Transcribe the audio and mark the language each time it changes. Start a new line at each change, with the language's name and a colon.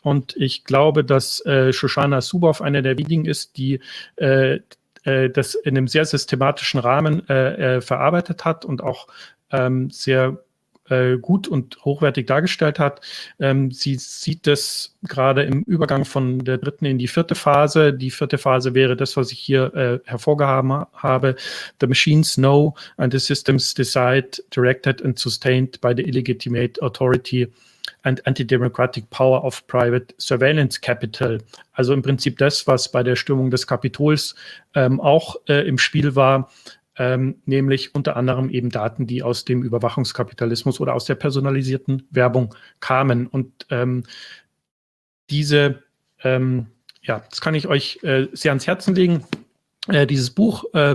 German: Und ich glaube, dass Shoshana Zuboff eine der wenigen ist, die das in einem sehr systematischen Rahmen verarbeitet hat und auch sehr gut und hochwertig dargestellt hat. Sie sieht das gerade im Übergang von der dritten in die vierte Phase. Die vierte Phase wäre das, was ich hier hervorgehoben habe.
English: The machines know and the systems decide, directed and sustained by the illegitimate authority and anti-democratic power of private surveillance capital.
German: Also im Prinzip das, was bei der Stürmung des Kapitols auch im Spiel war, nämlich unter anderem eben Daten, die aus dem Überwachungskapitalismus oder aus der personalisierten Werbung kamen. Und diese, ja, das kann ich euch sehr ans Herzen legen, dieses Buch.